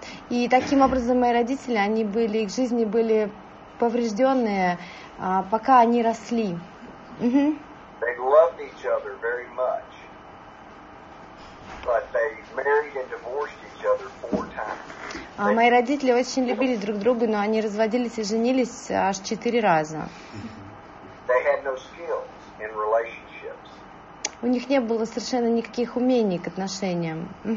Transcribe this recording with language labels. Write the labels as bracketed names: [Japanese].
[Russian] И таким образом мои родители, они были, их жизни были поврежденные, пока они росли. [English] They loved each other very much, but they married and divorced each other four times. [Russian] Мои родители очень любили друг друга, но они разводились и женились аж 4 раза. [English] They had no skills in relationships. [Russian] У них не было совершенно никаких умений к отношениям.